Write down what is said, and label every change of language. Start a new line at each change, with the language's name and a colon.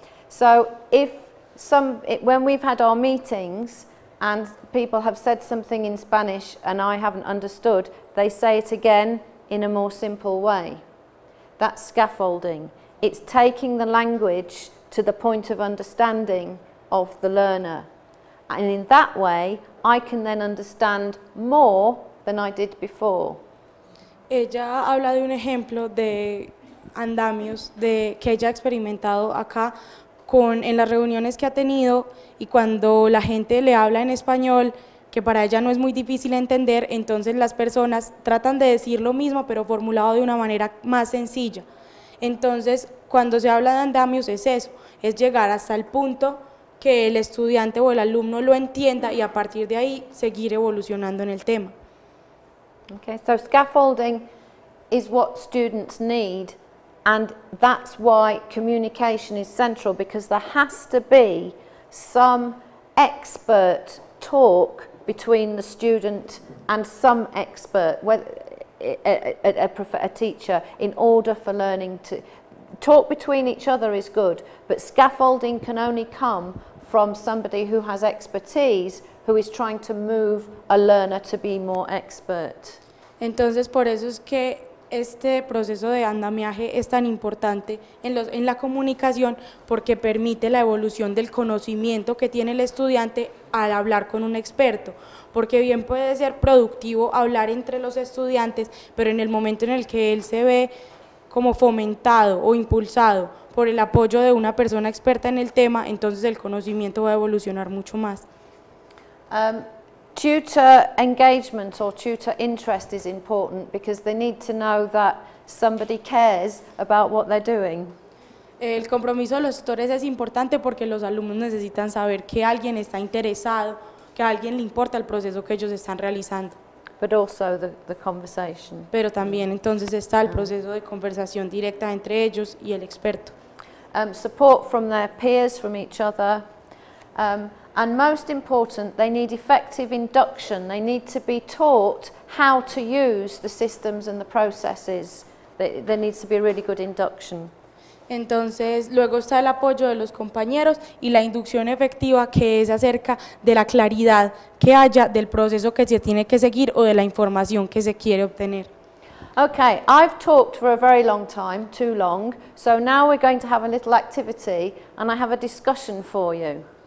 English: So when we've had our meetings and people have said something in Spanish and I haven't understood, they say it again in a more simple way. That's scaffolding. It's taking the language to the point of understanding of the learner. And in that way, I can then understand more than I did before.
Spanish: Ella habla de un ejemplo de andamios de que ella ha experimentado acá con en las reuniones que ha tenido y cuando la gente le habla en español, que para ella no es muy difícil entender, entonces las personas tratan de decir lo mismo, pero formulado de una manera más sencilla. Entonces, cuando se habla de andamios es eso, es llegar hasta el punto que el estudiante o el alumno lo entienda y a partir de ahí seguir evolucionando en el tema.
English: Okay, so scaffolding is what students need, and that's why communication is central, because there has to be some expert talk between the student and some expert, a teacher, in order for learning to talk between each other is good, but scaffolding can only come from somebody who has expertise, who is trying to move a learner to be more expert.
Spanish: Entonces, por eso es que este proceso de andamiaje es tan importante en la comunicación, porque permite la evolución del conocimiento que tiene el estudiante al hablar con un experto. Porque bien puede ser productivo hablar entre los estudiantes, pero en el momento en el que él se ve como fomentado o impulsado por el apoyo de una persona experta en el tema, entonces el conocimiento va a evolucionar mucho más.
English: Tutor engagement or tutor interest is important because they need to know that somebody cares about what they're doing.
Spanish: El compromiso de los tutores es importante porque los alumnos necesitan saber que alguien está interesado, que a alguien le importa el proceso que ellos están realizando.
English: But also the conversation.
Spanish: Pero también entonces está el proceso de conversación directa entre ellos y el experto.
English: Support from their peers, from each other. And most important, they need effective induction. They need to be taught how to use the systems and the processes. There needs to be a really good induction.
Spanish: Entonces, luego está el apoyo de los compañeros y la inducción efectiva, que es acerca de la claridad que haya del proceso que se tiene que seguir o de la información que se quiere obtener.
English: Okay, I've talked for a very long time, too long, so now we're going to have a little activity and I have a discussion for you.